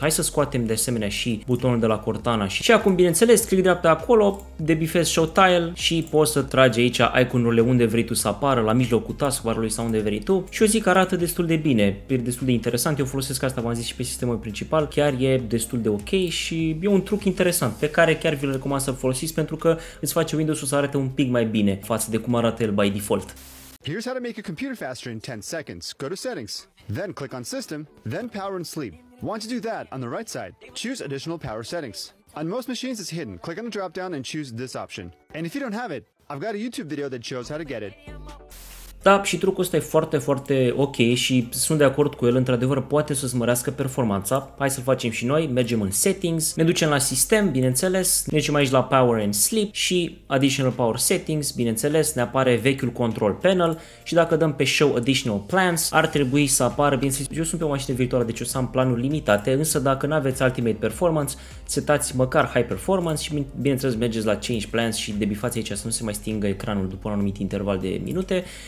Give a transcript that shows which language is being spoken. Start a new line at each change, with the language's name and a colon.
Romanian: Hai să scoatem de asemenea și butonul de la Cortana și acum bineînțeles click dreapta acolo, debifezi show tile și poți să tragi aici iconurile unde vrei tu să apară, la mijlocul taskbarului sau unde vrei tu și eu zic arată destul de bine, e destul de interesant, eu folosesc asta, v-am zis, și pe sistemul principal, chiar e destul de ok și e un truc interesant pe care chiar vi-l recomand să folosiți pentru că îți face Windows-ul să arate un pic mai bine față de cum arată el by default.
English: Here's how to make a computer faster in 10 seconds. Go to settings, then click on system, then power and sleep. Want to do that on the right side? Choose additional power settings. On most machines it's hidden. Click on the drop down and choose this option. And if you don't have it, I've got a YouTube video that shows how to get it.
Romanian: Da, și trucul ăsta e foarte, foarte ok și sunt de acord cu el, într-adevăr poate să-ți mărească performanța. Hai să facem și noi, mergem în settings, ne ducem la sistem, bineînțeles, ne ducem aici la power and sleep și additional power settings, bineînțeles, ne apare vechiul control panel și dacă dăm pe show additional plans, ar trebui să apară, bineînțeles, eu sunt pe o mașină virtuală, deci o să am planuri limitate, însă dacă nu aveți ultimate performance, setați măcar high performance și bineînțeles mergeți la change plans și debifați aici să nu se mai stingă ecranul după un anumit interval de minute.